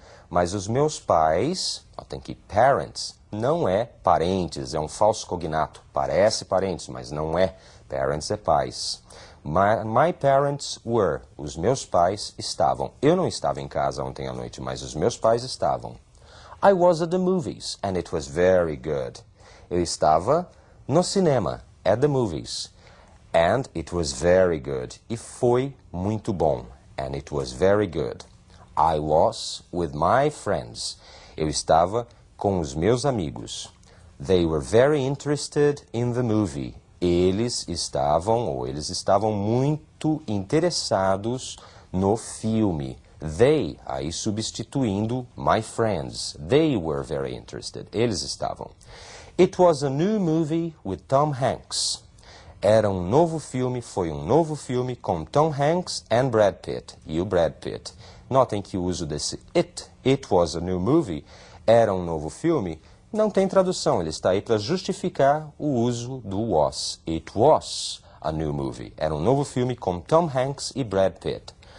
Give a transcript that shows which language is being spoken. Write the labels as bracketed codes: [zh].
[pt] Mas os meus pais, ó, tem que parents, não é parentes, é um falso cognato. Parece parentes, mas não é. Parents é pais. [en] My parents were. [pt] Os meus pais estavam. Eu não estava em casa ontem à noite, mas os meus pais estavam. [en] I was at the movies and it was very good. [pt] Eu estava no cinema, [en] at the movies. And it was very good. [pt] E foi muito bom. [en] And it was very good. I was with my friends. [pt] Eu estava com os meus amigos. [en] They were very interested in the movie. [pt] Eles estavam, ou eles estavam muito interessados no filme. They, aí substituindo [en] my friends. They were very interested. [pt] Eles estavam. [en] It was a new movie with Tom Hanks. [pt] Era um novo filme, foi um novo filme com Tom Hanks and Brad Pitt. E o Brad Pitt. Notem que o uso desse [en] it was a new movie, [pt] era um novo filme, não tem tradução. Ele está aí para justificar o uso do was. [en] It was a new movie. [pt] Era um novo filme com Tom Hanks e Brad Pitt.